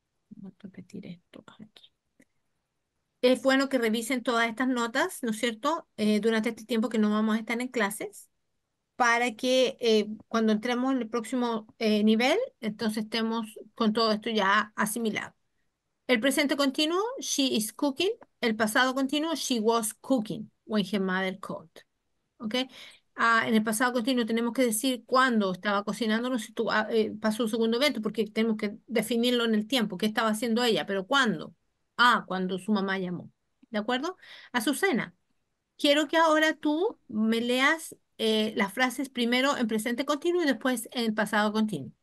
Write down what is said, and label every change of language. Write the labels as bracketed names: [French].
[Spanish] Voy a repetir esto aquí. Es bueno que revisen todas estas notas, ¿no es cierto? Durante este tiempo que no vamos a estar en clases, para que cuando entremos en el próximo nivel, entonces estemos con todo esto ya asimilado. El presente continuo, [English] she is cooking. [Spanish] El pasado continuo, [English] she was cooking when her mother called. Okay. [Spanish] En el pasado continuo tenemos que decir cuándo estaba cocinando, no sé si pasó un segundo evento, porque tenemos que definirlo en el tiempo, qué estaba haciendo ella, pero cuándo. Ah, cuando su mamá llamó. ¿De acuerdo? Azucena, quiero que ahora tú me leas las frases primero en presente continuo y después en pasado continuo.